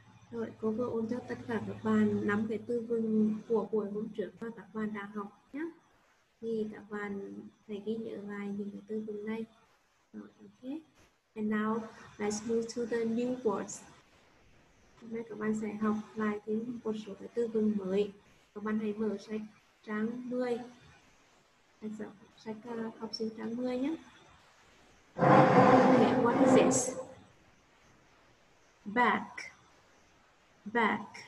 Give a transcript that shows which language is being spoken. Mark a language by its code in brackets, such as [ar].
[vi] Rồi, cô vừa ôn cho tất cả các bạn nắm cái từ vựng của buổi hôm trước và các bạn đã học nhé. Thì các bạn phải ghi nhớ lại những cái từ vựng này. Rồi, ok. [en] And now, let's move to the new words. [vi] Hôm nay các bạn sẽ học lại thêm một số cái từ vựng mới. Các bạn hãy mở sách trang 10. Sách học sinh trang 10 nhé. [en] Okay, what is this? Back. Back.